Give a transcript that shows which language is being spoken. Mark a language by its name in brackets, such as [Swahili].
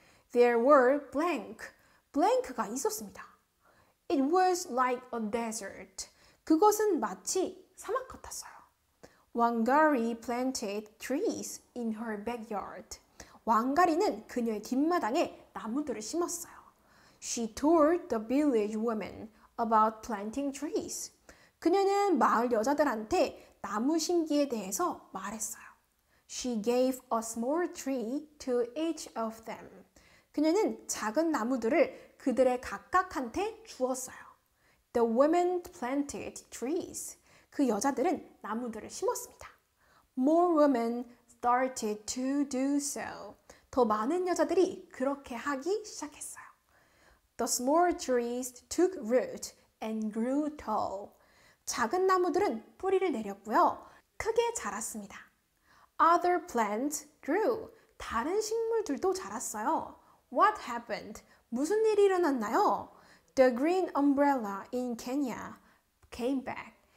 [English] There were blank. [Korean] blank가 있었습니다. [English] It was like a desert. [Korean] 그것은 마치 사막 같았어요. [English] Wangari planted trees in her backyard. [Korean] 왕가리는 그녀의 뒷마당에 나무들을 심었어요. [English] She told the village women about planting trees. [Korean] 그녀는 마을 여자들한테 나무 심기에 대해서 말했어요. [English] She gave a small tree to each of them. [Korean] 그녀는 작은 나무들을 그들의 각각한테 주었어요. [English] The women planted trees. [Korean] 그 여자들은 나무들을 심었습니다. [English] More women started to do so. [Korean] 더 많은 여자들이 그렇게 하기 시작했어요. [English] The small trees took root and grew tall. [Korean] 작은 나무들은 뿌리를 내렸고요. 크게 자랐습니다. [English] Other plants grew. [Korean] 다른 식물들도 자랐어요. [English] What happened? [Korean] 무슨 일이 일어났나요? [English] The green umbrella in Kenya came back.